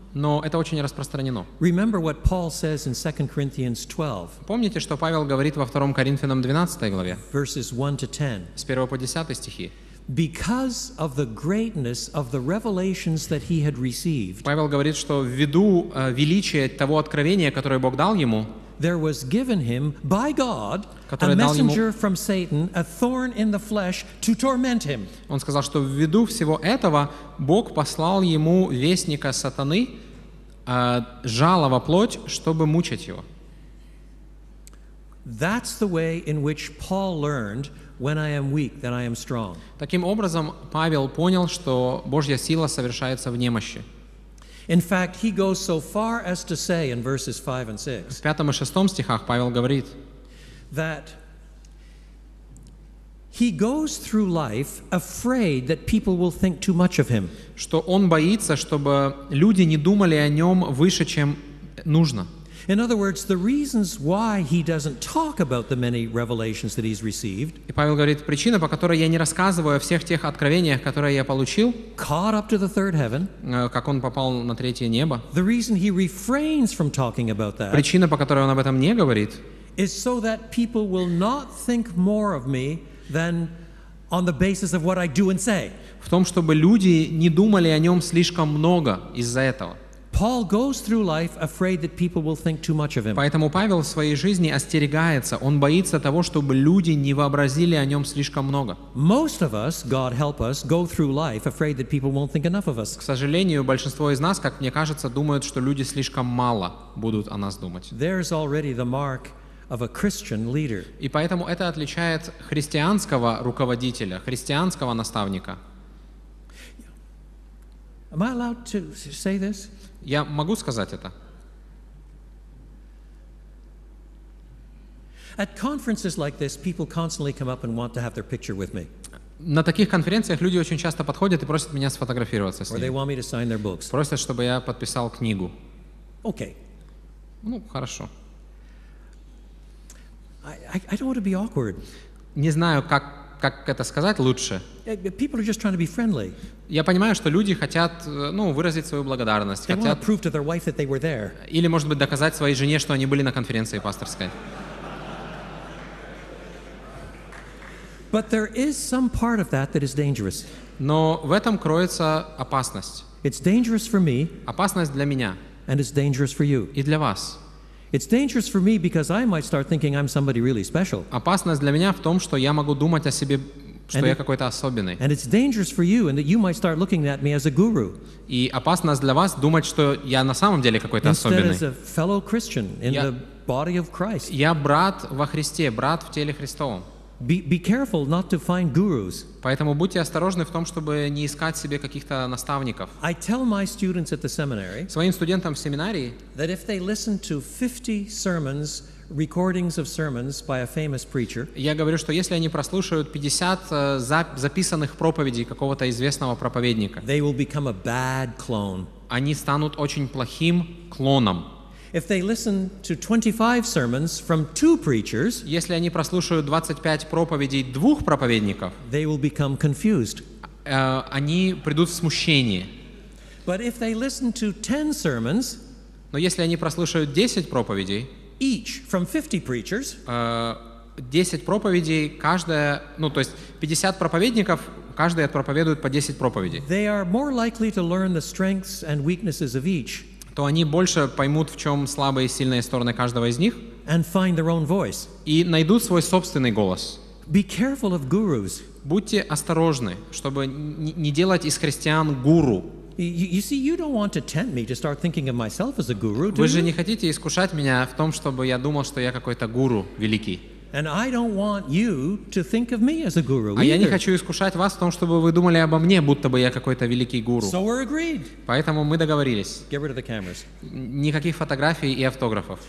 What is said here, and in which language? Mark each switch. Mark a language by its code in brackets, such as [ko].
[ru] Но это очень распространено. [en] Remember what Paul says in 2 Corinthians 12. [ru] Помните, что Павел говорит во 2 Коринфянам 12 главе, [en] verses 1 to 10. [ru] С 1 по 10 стихи. [en] Because of the greatness of the revelations that he had received. [ru] Павел говорит, что ввиду величия того откровения, которое Бог дал ему, [en] there was given him by God a messenger from Satan, a thorn in the flesh to torment him. [ru] Он сказал, что ввиду всего этого Бог послал ему вестника сатаны, жало во плоть, чтобы мучить его. [en] That's the way in which Paul learned when I am weak, then I am strong. [ru] Таким образом, Павел понял, что Божья сила совершается в немощи. [en] In fact, he goes so far as to say in verses 5 and 6. [ru] В пятом и шестом стихах Павел говорит, [en] that he goes through life afraid that people will think too much of him. [ru] Что он боится, чтобы люди не думали о нем выше, чем нужно. [en] In other words, the reasons why he doesn't talk about the many revelations that he's received. [ru] И Павел говорит, причина, по которой я не рассказываю о всех тех откровениях, которые я получил. [en] Caught up to the third heaven. [ru] Как он попал на третье небо. [en] The reason he refrains from talking about that. [ru] Причина, по которой он об этом не говорит. [en] Is so that people will not think more of me than on the basis of what I do and say. [ru] В том, чтобы люди не думали о нем слишком много из-за этого. [en] Paul goes through life afraid that people will think too much of him. [ru] Поэтому Павел в своей жизни остерегается, он боится того, чтобы люди не вообразили о нем слишком много. [en] Most of us, God help us, go through life afraid that people won't think enough of us. [ru] К сожалению, большинство из нас, как мне кажется, думают, что люди слишком мало будут о нас думать. [en] There's already the mark of a Christian leader. [ru] И поэтому это отличает христианского руководителя, христианского наставника. [en] Am I allowed to say this? [ru] Я могу сказать это. [en] At conferences like this, people constantly come up and want to have their picture with me. [ru] На таких конференциях люди очень часто подходят и просят меня сфотографироваться с ними. [en] Or they want me to sign their books. [ru] Просят, чтобы я подписал книгу. [en] Okay. [ru] Ну, хорошо. [en] I don't want to be awkward. [ru] Не знаю, как это сказать лучше. [en] People are just trying to be friendly. [ru] Я понимаю, что люди хотят, ну, выразить свою благодарность. [en] They want to prove to their wife that they were there. [ru] Или, может быть, доказать своей жене, что они были на конференции пасторской. [en] But there is some part of that that is dangerous. [ru] Но в этом кроется опасность. [en] It's dangerous for me. [ru] Опасность для меня. [en] And it's dangerous for you. [ru] И для вас. [en] It's dangerous for me because I might start thinking I'm somebody really special. [ru] Опасность для меня в том, что я могу думать о себе, что я какой-то особенный. [en] And it's dangerous for you in that you might start looking at me as a guru. [ru] И опасность для вас думать, что я на самом деле какой-то особенный. [en] Instead, as a fellow Christian in the body of Christ. [ru] Я брат во Христе, брат в теле Христовом. [en] Be careful not to find gurus. [ru] Поэтому будьте осторожны в том, чтобы не искать себе каких-то наставников. [en] I tell my students at the seminary [ru] своим студентам в семинарии [en] that if they listen to 50 sermons, recordings of sermons by a famous preacher, [ru] я говорю, что если они прослушают 50 записанных проповедей какого-то известного проповедника, [en] they will become a bad clone. [ru] Они станут очень плохим клоном. [en] If they listen to 25 sermons from two preachers, [ru] если они прослушают 25 проповедей двух проповедников, [en] they will become confused. [ru] Они придут в смущение. [en] But if they listen to 10 sermons, [ru] но если они прослушают 10 проповедей, [en] each from 50 preachers, [ru] 10 проповедей каждая, ну то есть 50 проповедников, каждый отпроповедует по 10 проповедей. [en] They are more likely to learn the strengths and weaknesses of each. [ru] То они больше поймут, в чем слабые и сильные стороны каждого из них, [en] and find their own voice. [ru] И найдут свой собственный голос. [en] Be careful of gurus. [ru] Будьте осторожны, чтобы не делать из христиан гуру. [en] You see, you don't want to tempt me to start thinking of myself as a guru, do you? [ru] Вы же не хотите искушать меня в том, чтобы я думал, что я какой-то гуру великий. [en] And I don't want you to think of me as a guru. [ru] А я не хочу искушать вас в том, чтобы вы думали обо мне, будто бы я какой-то великий гуру. [en] So we're agreed. [ru] Поэтому мы договорились. [en] Get rid of the cameras. [ru] Никаких фотографий и автографов.